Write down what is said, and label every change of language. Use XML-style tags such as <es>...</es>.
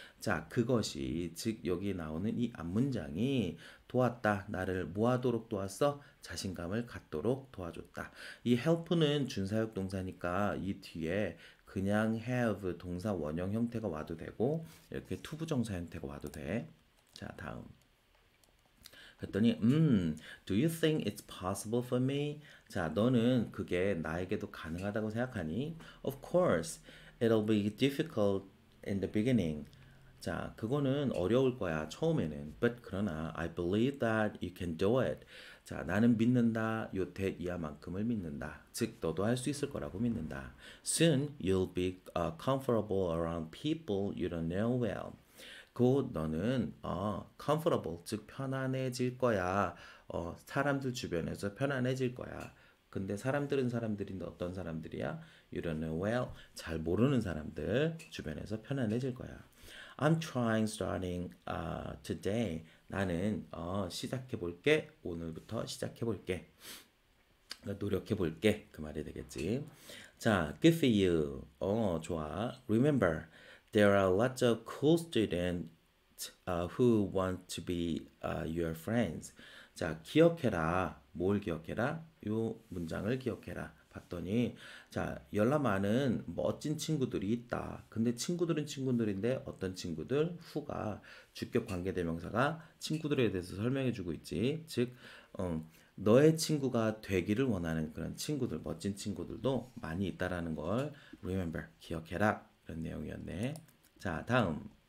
<ko>자, 그것이, 즉, 여기 나오는 이 앞문장이 도왔다. 나를 뭐하도록 도왔어? 자신감을 갖도록 도와줬다. 이 help는 준사역 동사니까 이 뒤에 그냥 have 동사 원형 형태가 와도 되고, 이렇게 투부 정사 형태가 와도 돼. 자, 다음. 그랬더니,</ko> <en>do you think it's possible for me?</en> <ko>자, 너는 그게 나에게도 가능하다고 생각하니?</ko> <en>Of course, it'll be difficult in the beginning.</en> <ko>자, 그거는 어려울 거야, 처음에는.</ko> <en>But</en> <ko>그러나,</ko> <en>I believe that you can do it.</en> <ko>자, 나는 믿는다. 요태 이하만큼을 믿는다. 즉, 너도 할수 있을 거라고 믿는다.</ko> <en>Soon, you'll be comfortable around people you don't know well.</en> <ko>곧 너는 comfortable, 즉 편안해질 거야. 사람들 주변에서 편안해질 거야. 근데 사람들은 사람들인데 어떤 사람들이야?</ko> <en>You don't know well.</en> <ko>잘 모르는 사람들 주변에서 편안해질 거야.</ko> <en>I'm trying starting today.</en> <ko>나는 시작해 볼게. 오늘부터 시작해 볼게. 노력해 볼게. 그 말이 되겠지.</ko> <en>자, good for you.</en> <ko>좋아.</ko> <en>Remember, there are lots of cool students who want to be your friends.</en> <ko>자, 기억해라. 뭘 기억해라? 요 문장을 기억해라. 봤더니, 자, 열라 많은 멋진 친구들이 있다. 근데 친구들은 친구들인데 어떤 친구들? 후가 주격 관계대명사가 친구들에 대해서 설명해주고 있지. 즉, 너의 친구가 되기를 원하는 그런 친구들, 멋진 친구들도 많이 있다라는 걸 remember, 기억해라. 그런 내용이었네. 자, 다음.</ko>